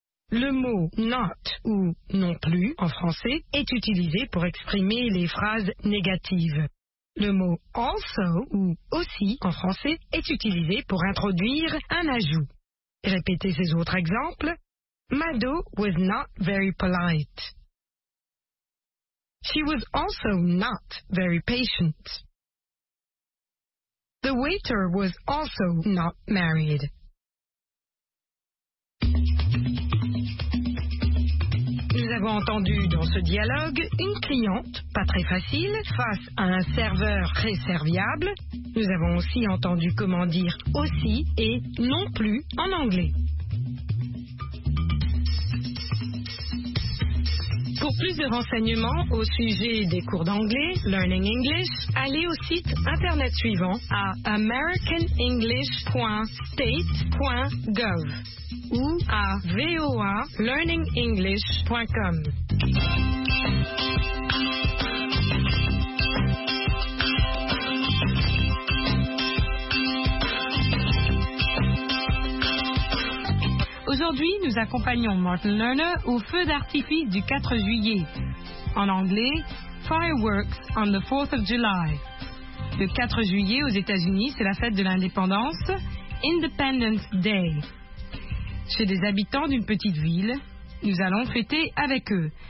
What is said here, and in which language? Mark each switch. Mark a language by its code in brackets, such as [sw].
[fr] Le mot « not » ou « non plus » en français est utilisé pour exprimer les phrases négatives. Le mot « also » ou « aussi » en français est utilisé pour introduire un ajout. Répétez ces autres exemples. [en] Mado was not very polite. She was also not very patient. The waiter was also not married. [fr] Nous avons entendu dans ce dialogue une cliente, pas très facile, face à un serveur très serviable. Nous avons aussi entendu comment dire « aussi » et « non plus » en anglais. Pour plus de renseignements au sujet des cours d'anglais, Learning English, allez au site internet suivant à americanenglish.state.gov ou à voalearningenglish.com. Aujourd'hui, nous accompagnons Martin Lerner au feu d'artifice du 4 juillet. En anglais, [en] Fireworks on the 4th of July. [fr] Le 4 juillet aux États-Unis, c'est la fête de l'indépendance, Independence Day. Chez des habitants d'une petite ville, nous allons fêter avec eux.